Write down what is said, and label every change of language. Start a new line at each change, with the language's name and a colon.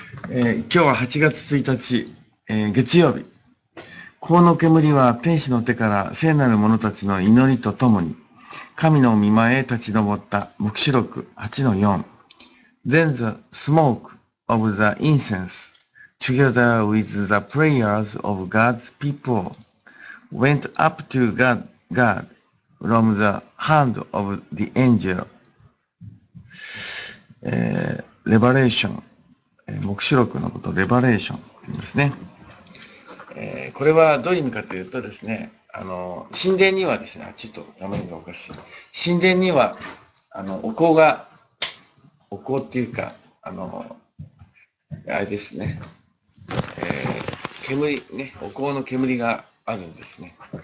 Japanese: 今日は8月1日、月曜日。香の煙は天使の手から聖なる者たちの祈りとともに、神の御前へ立ち上った。黙示録8-4。
English: Then the smoke of the incense, together with the prayers of God's people, went up to God from the hand of the angel.
Japanese: レバレーション。黙示録のこと、レバレーションって言うんですね。これはどういう意味かというとですね、神殿にはですね、ちょっと画面がおかしい。神殿には、お香が、お香っていうか、あれですね、煙、ね、お香の煙があるんですね。